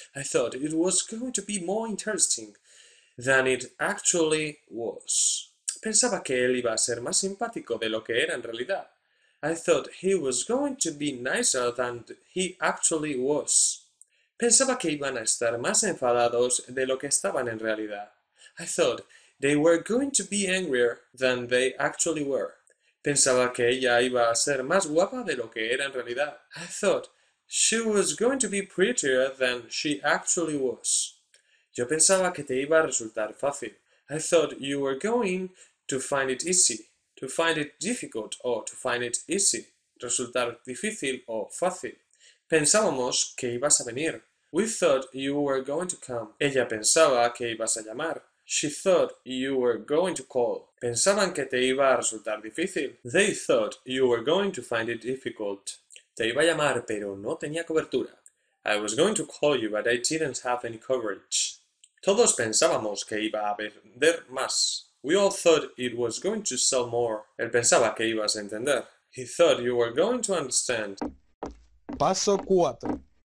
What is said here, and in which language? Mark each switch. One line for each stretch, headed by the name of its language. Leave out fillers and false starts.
English: I thought it was going to be more interesting than it actually was.
Spanish: Pensaba que él iba a ser más simpático de lo que era en realidad.
English: I thought he was going to be nicer than he actually was.
Spanish: Pensaba que iban a estar más enfadados de lo que estaban en realidad.
English: I thought they were going to be angrier than they actually were.
Spanish: Pensaba que ella iba a ser más guapa de lo que era en realidad.
English: I thought she was going to be prettier than she actually was.
Spanish: Yo pensaba que te iba a resultar fácil.
English: I thought you were going to find it easy. To find it difficult o to find it easy.
Spanish: Resultar difícil o fácil. Pensábamos que ibas a venir.
English: We thought you were going to come.
Spanish: Ella pensaba que ibas a llamar.
English: She thought you were going to call.
Spanish: Pensaban que te iba a resultar difícil.
English: They thought you were going to find it difficult.
Spanish: Te iba a llamar, pero no tenía cobertura.
English: I was going to call you, but I didn't have any coverage.
Spanish: Todos pensábamos que iba a vender más.
English: We all thought it was going to sell more.
Spanish: Él pensaba que ibas a entender.
English: He thought you were going to understand.
Spanish: Paso 4.